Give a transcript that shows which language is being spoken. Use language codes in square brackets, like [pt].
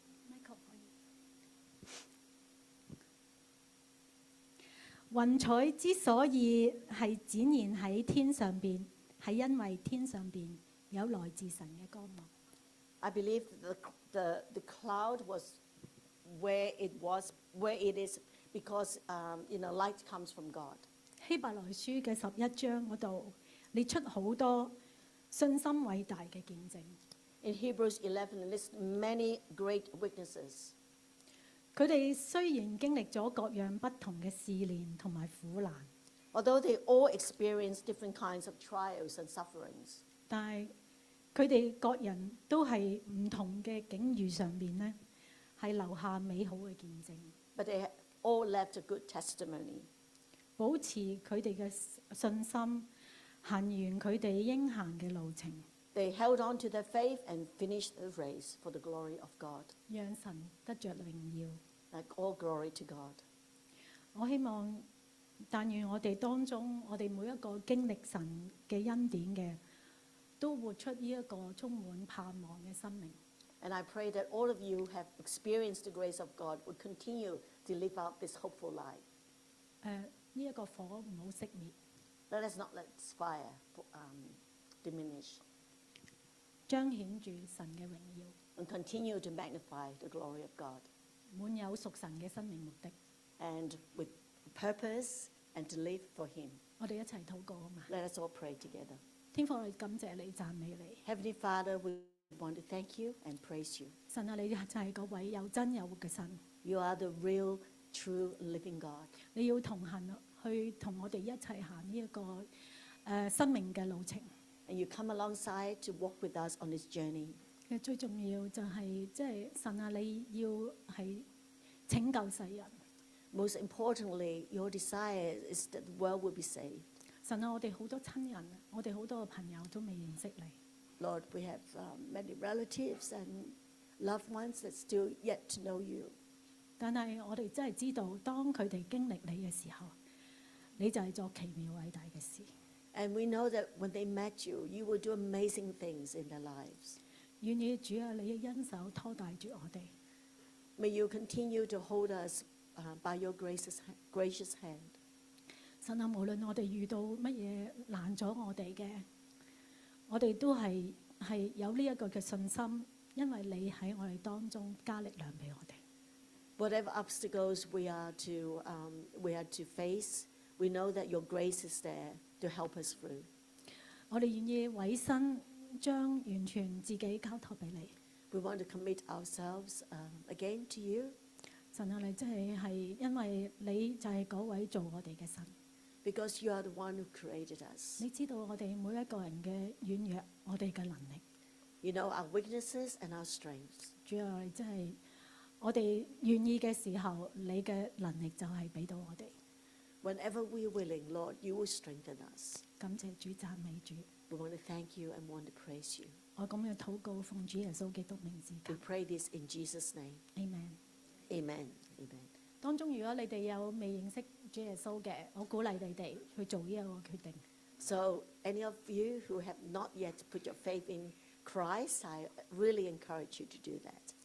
[yue] Michael, 雲彩之所以係展現喺天上邊，係因為天上邊有來自神嘅光芒。 [en] I believe the cloud was where it is because light comes from God. [yue] 希伯來書嘅十一章嗰度列出好多信心偉大嘅見證。 [en] In Hebrews 11, it lists many great witnesses. [yue] 佢哋雖然經歷咗各樣不同嘅試煉同埋苦難 [en] ，although they all experienced different kinds of trials and sufferings， [yue] 但係佢哋各人都係唔同嘅境遇上邊咧，係留下美好嘅見證。 [en] But they all left a good testimony. [yue] 保持佢哋嘅信心，行完佢哋應行嘅路程。 [en] They held on to their faith and finished the race for the glory of God. [yue] 讓神得著榮耀。 [en] Like all glory to God. [yue] 我希望，但願我哋當中，我哋每一個經歷神嘅恩典嘅。都活出呢一個充滿盼望嘅生命。 [en] And I pray that all of you have experienced the grace of God would continue to live out this hopeful life. [yue] 呢一個火唔好熄滅。 [en] Let us not let fire diminish. [yue] 彰顯住神嘅榮耀。 [en] And continue to magnify the glory of God. [yue] 滿有屬神嘅生命目的。 [en] And with purpose and to live for Him. [yue] 我哋一齊禱告啊嘛。 [en] Let us all pray together. [yue] 天父，我哋感謝你，讚美你。 [en] Heavenly Father, we want to thank you and praise you. [yue] 神啊，你就係嗰位有真有活嘅神。 [en] You are the real, true, living God. [yue] 你要同行去同我哋一齊行呢一個生命嘅路程。 [en] And you come alongside to walk with us on this journey. [yue] 最重要就係即係神啊，你要係拯救世人。 [en] Most importantly, your desire is that the world will be saved. [yue] 神啊，我哋好多親人，我哋好多朋友都未認識你。 [en] Lord, we have many relatives and loved ones that still yet to know you. [yue] 但係我哋真係知道，當佢哋經歷你嘅時候，你就係做奇妙偉大嘅事。 [en] And we know that when they met you, you will do amazing things in their lives. [yue] 願意主啊，你嘅恩手拖帶住我哋。 [en] May you continue to hold us by your gracious hand. [yue] 神啊，無論我哋遇到乜嘢難阻我哋嘅，我哋都係有呢一個嘅信心，因為你喺我哋當中加力量俾我哋。 [en] Whatever obstacles we are to face, we know that your grace is there to help us through. [yue] 我哋願意委身，將完全自己交託俾你。 [en] We want to commit ourselves again to you. [yue] 神啊，你真係係因為你就係嗰位做我哋嘅神。 [en] Because you are the one who created us. [yue] 你知道我哋每一個人嘅軟弱，我哋嘅能力。 [en] You know our weaknesses and our strengths. [yue] 主啊，你真係我哋願意嘅時候，你嘅能力就係俾到我哋。 [en] Whenever we are willing, Lord, you will strengthen us. [yue] 感謝主，讚美主。 [en] We want to thank you and want to praise you. [yue] 我咁樣禱告，奉主耶穌基督名字。 [en] We pray this in Jesus' name. Amen. Amen. Amen. [yue] 當中如果你哋有未認識主耶穌嘅，我鼓勵你哋去做呢一個決定。 [en] So any of you who have not yet put your faith in Christ, I really encourage you to do that.